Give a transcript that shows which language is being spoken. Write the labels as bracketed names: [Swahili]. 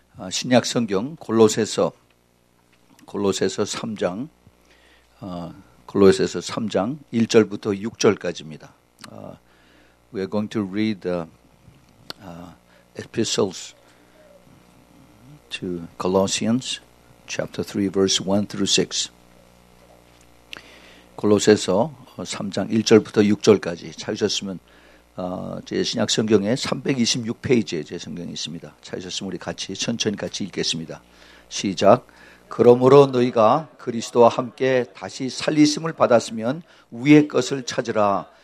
[Korean] 신약 성경 골로새서 3장 골로새서 3장 1절부터 6절까지입니다. [English] We are going to read the epistles to Colossians chapter 3 verse 1 through 6. [Korean] 골로새서 3장 1절부터 6절까지 찾으셨으면 제 신약 성경에 326페이지에 제 성경이 있습니다. 찾으셨으면 우리 같이 천천히 같이 읽겠습니다. 시작. 그러므로 너희가 그리스도와 함께 다시 살리심을 받았으면 위의 것을 찾으라.